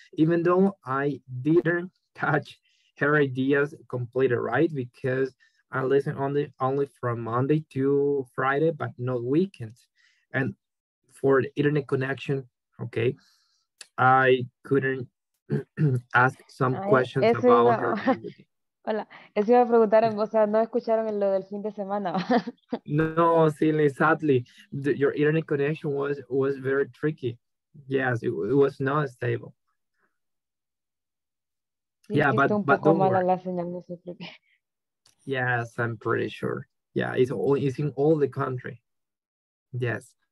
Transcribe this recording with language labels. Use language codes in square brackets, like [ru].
[en] Even though I didn't catch her ideas completely, right? Because I listen only from Monday to Friday, but not weekends. And for the internet connection, okay, I couldn't ask some questions about her. [es] Hola, eso iba a preguntar en voz, no escucharon lo del fin de semana. [en] No, silly, sadly, your internet connection was very tricky. Yes, it was not stable. Sí, yeah, but don't worry. Yes, I'm pretty sure. Yeah, it's in all the country. Yes.